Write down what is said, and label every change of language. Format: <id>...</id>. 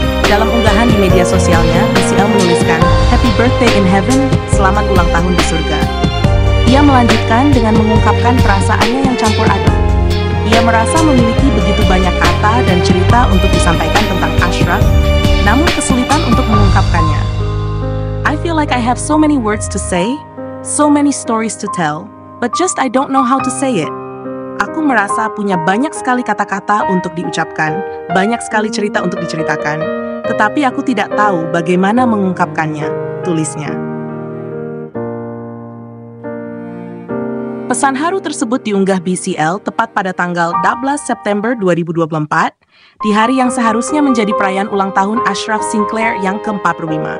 <id>Dalam unggahan di media sosialnya, BCL menuliskan</id> <en>"Happy Birthday in Heaven",</en> <id>selamat ulang tahun di surga. Ia melanjutkan dengan mengungkapkan perasaannya yang campur aduk. Ia merasa memiliki begitu banyak kata dan cerita untuk disampaikan tentang Ashraf, namun kesulitan untuk mengungkapkannya.</id> <en>"I feel like I have so many words to say, so many stories to tell, but just I don't know how to say it.</en> <id>Aku merasa punya banyak sekali kata-kata untuk diucapkan, banyak sekali cerita untuk diceritakan, tetapi aku tidak tahu bagaimana mengungkapkannya," tulisnya. Pesan haru tersebut diunggah BCL tepat pada tanggal 14 September 2024, di hari yang seharusnya menjadi perayaan ulang tahun Ashraf Sinclair yang ke-45.</id>